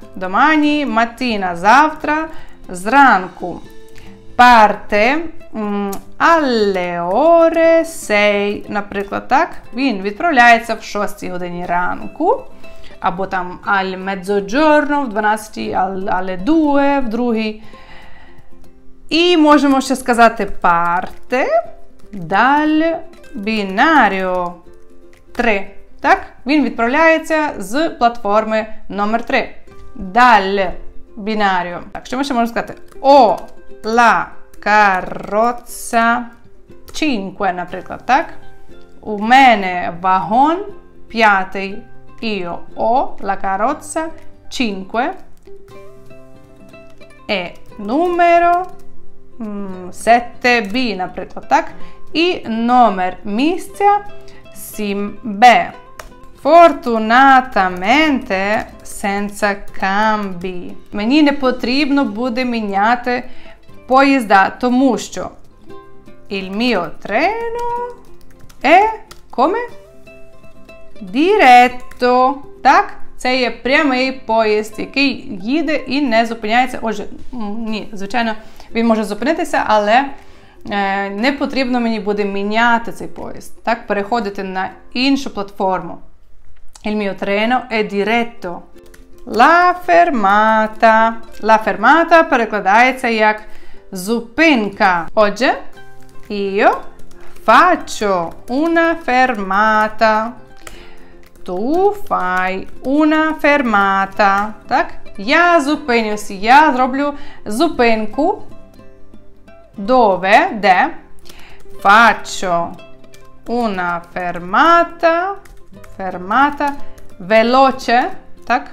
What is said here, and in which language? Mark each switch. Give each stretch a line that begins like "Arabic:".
Italian: Domani mattina,
Ukrainian: завтра зранку.
Italian: Parte alle ore 6,
Ukrainian: наприклад, так? Він відправляється в 6 годині ранку, або там
Italian: al mezzogiorno,
Ukrainian: в 12,
Italian: alle 2,
Ukrainian: в 2. І можемо ще сказати
Italian: parte dal binario 3,
Ukrainian: так? Він відправляється з платформи номер 3.
Italian: Dal binario.
Ukrainian: Так, що ми ще можемо сказати?
Italian: O la carrozza 5,
Ukrainian: наприклад, так? У мене вагон 5.
Italian: Io ho la carrozza 5 e numero 7B,
Ukrainian: наприклад, так? І номер місця 7B.
Italian: Fortunatamente senza cambi.
Ukrainian: Мені не потрібно буде міняти поїзда, тому що
Italian: il mio treno è come? Diretto. Так?
Ukrainian: Це є прямий поїзд, який їде і не зупиняється. Отже, ні, звичайно, він може зупинитися, але не потрібно мені буде міняти цей поїзд, так, переходити на іншу платформу.
Italian: Il mio treno è diretto. La fermata. La fermata
Ukrainian: перекладається як зупинка.
Italian: Отже, io faccio una fermata. Tu fai una fermata. Так?
Ukrainian: Я зупинюсь, я зроблю зупинку.
Italian: Dove? Де? Faccio una fermata. Fermata. Veloce. Так?